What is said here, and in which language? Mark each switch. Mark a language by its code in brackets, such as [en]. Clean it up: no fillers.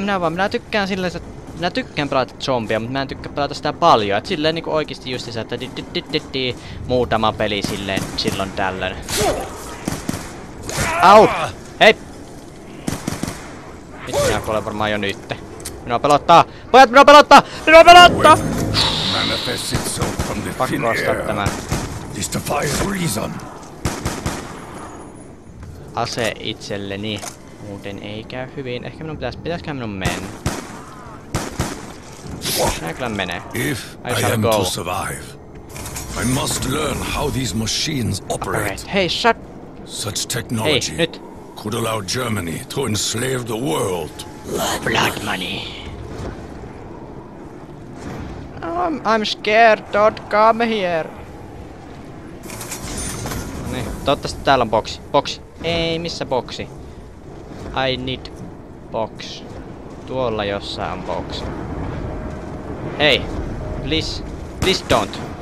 [fi] Minä tykkään pelata zombia, mutta mä en tykkää pelata sitä paljon. Et silleen niinku oikeesti justiinsa, että muutama peli silleen silloin tällöin. Au! Hei! Vittu, minä kuolen varmaan jo nytte. Minua pelottaa! [en] Manifests itself from the thin air. This defies reason. [fi] Ase itselleni. Muuten ei käy hyvin. Ehkä minun pitäisikö minun mennä? Näköjään menee. [en] If I am to survive, I must learn how these machines operate. Hey, shut! Such technology could allow Germany to enslave the world. Blood money. I'm scared, don't come here. [fi] Niin, toivottavasti täällä on boksi. Boksi. Ei, missä boksi? [en] I need box. [fi] Tuolla jossain on box. Hei. [en] Please don't.